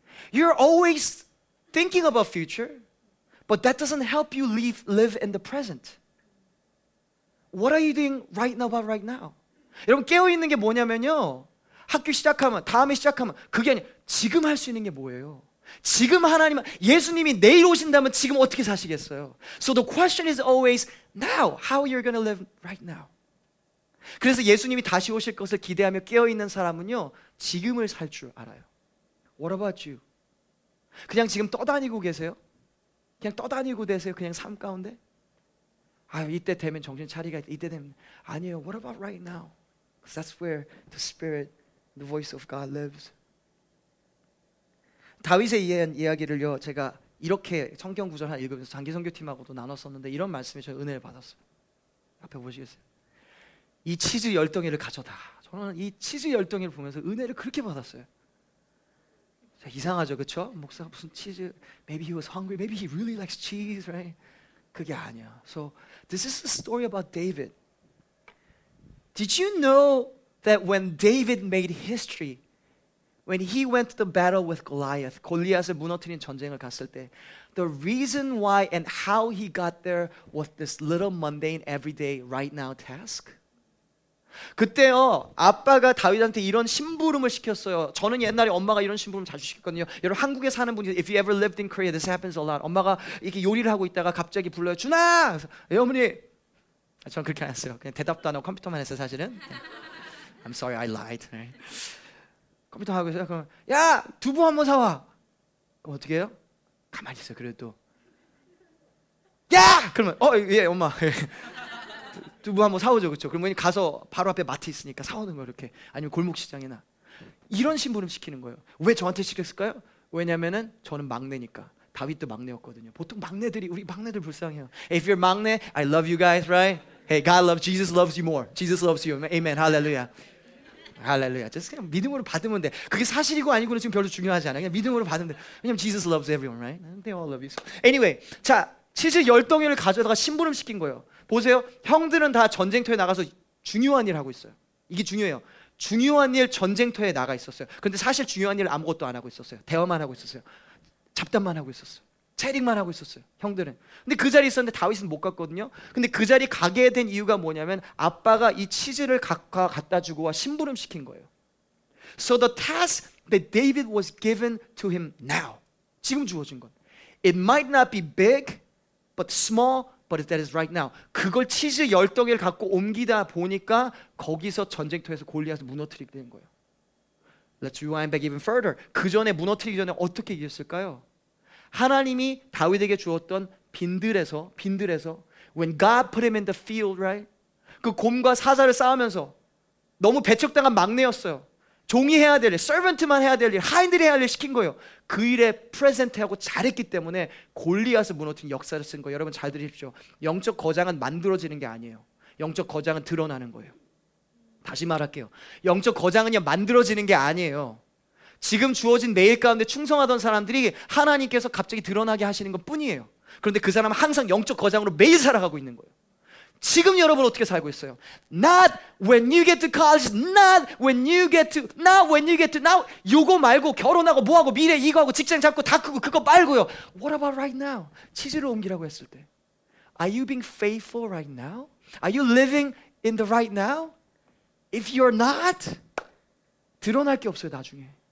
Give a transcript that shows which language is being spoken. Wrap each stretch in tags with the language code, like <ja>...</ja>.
<en>You're always thinking about future, but that doesn't help you live in the present. What are you doing right now about right now?</en> <ko>여러분, 깨어있는 게 뭐냐면요, 학교 시작하면, 다음에 시작하면, 그게 아니에요. 지금 할 수 있는 게 뭐예요? 지금 하나님, 예수님이 내일 오신다면 지금 어떻게 사시겠어요?</ko> <en>So the question is always now. How you're going to live right now?</en> <ko>그래서 예수님이 다시 오실 것을 기대하며 깨어있는 사람은요, 지금을 살 줄 알아요.</ko> <en>What about you?</en> <ko>그냥 지금 떠다니고 계세요? 그냥 떠다니고 계세요? 그냥 삶 가운데? 아유, 이때 되면 정신 차리가, 이때 되면. 아니에요.</ko> <en>What about right now? Because that's where the Spirit, the voice of God lives.</en> <ko>다윗의 이야기를요, 제가 이렇게 성경 구절 하나 읽으면서 장기 선교팀하고도 나눴었는데 이런 말씀에 제가 은혜를 받았어요. 앞에 보시겠어요? 이 치즈 열덩이를 가져다. 저는 이 치즈 열덩이를 보면서 은혜를 그렇게 받았어요. 자, 이상하죠, 그렇죠? 목사가 무슨 치즈,</ko> <en>maybe he was hungry, maybe he really likes cheese, right?</en> <ko>그게 아니야.</ko> <en>So this is a story about David. Did you know that when David made history, when he went to the battle with Goliath,</en> <ko>골리앗을 무너뜨린 전쟁을 갔을 때,</ko> <en>the reason why and how he got there was this little mundane everyday right now task.</en> <ko>그때요, 아빠가 다윗한테 이런 심부름을 시켰어요. 저는 옛날에 엄마가 이런 심부름 자주 시켰거든요. 여러분 한국에 사는 분이,</ko> <en>if you ever lived in Korea, this happens a lot.</en> <ko>엄마가 이렇게 요리를 하고 있다가 갑자기 불러요. 준아! 예, 어머니! 저는 그렇게 안 했어요. 그냥 대답도 안 하고 컴퓨터만 했어요, 사실은.</ko> <en>I'm sorry, I lied.</en> <ko>컴퓨터 하고 있어요. 그럼, 야! 두부 한번 사와! 그럼 어떻게 해요? 가만히 있어요, 그래도. 야! 그러면, 어, 예, 엄마. 두부 한번 사오죠, 그렇죠? 그러면 가서 바로 앞에 마트 있으니까 사오는 거예요, 이렇게. 아니면 골목시장이나. 이런 심부름 시키는 거예요. 왜 저한테 시켰을까요? 왜냐면은 저는 막내니까. 다윗도 막내였거든요. 보통 막내들이, 우리 막내들 불쌍해요.</ko> <en>If you're 막내, I love you guys, right? Hey, God loves, Jesus loves you more. Jesus loves you. Amen. Hallelujah. Hallelujah. Just</en> <ko>그냥 믿음으로 받으면 돼. 그게 사실이고 아니고는 지금 별로 중요하지 않아. 그냥 믿음으로 받으면 돼. 왜냐면</ko> <en>Jesus loves everyone, right? They all love you. Anyway,</en> <ko>자, 70 열덩이를 가져다가 심부름 시킨 거예요. 보세요. 형들은 다 전쟁터에 나가서 중요한 일 하고 있어요. 이게 중요해요. 중요한 일 전쟁터에 나가 있었어요. 근데 사실 중요한 일 아무것도 안 하고 있었어요. 대화만 하고 있었어요. 잡담만 하고 있었어요. 체링만 하고 있었어요. 형들은. 근데 그 자리에 있었는데 다윗은 못 갔거든요. 근데 그 자리 가게 된 이유가 뭐냐면 아빠가 이 치즈를 갖다 주고 와 심부름 시킨 거예요.</ko> <en>So the task that David was given to him now.</en> <ko>지금 주어진 건.</ko> <en>It might not be big, but small, but that is right now.</en> <ko>그걸 치즈 열덩이를 갖고 옮기다 보니까 거기서 전쟁터에서 골리앗을 무너뜨리게 된 거예요.</ko> <en>Let's rewind back even further.</en> <ko>그 전에 무너뜨리기 전에 어떻게 이겼을까요? 하나님이 다윗에게 주었던 빈들에서</ko> <en>when God put him in the field, right?</en> <ko>그 곰과 사자를 싸우면서 너무 배척당한 막내였어요. 종이 해야 될 일, servant만 해야 될 일, 하인들이 해야 할 일 시킨 거예요. 그 일에 present하고 잘했기 때문에 골리앗을 무너뜨린 역사를 쓴 거예요. 여러분 잘 들으십시오. 영적 거장은 만들어지는 게 아니에요. 영적 거장은 드러나는 거예요. 다시 말할게요. 영적 거장은요 만들어지는 게 아니에요. 지금 주어진 내일 가운데 충성하던 사람들이 하나님께서 갑자기 드러나게 하시는 것 뿐이에요. 그런데 그 사람은 항상 영적 거장으로 매일 살아가고 있는 거예요. 지금 여러분 어떻게 살고 있어요?</ko> <en>Not when you get to college, not when you get to now.</en> <ko>요거 말고 결혼하고 뭐하고 미래 이거 하고 직장 잡고 다 크고 그거 말고요.</ko> <en>What about right now?</en> <ko>치즈를 옮기라고 했을 때.</ko> <en>Are you being faithful right now? Are you living in the right now? If you're not,</en> <ko>드러날 게 없어요 나중에.</ko>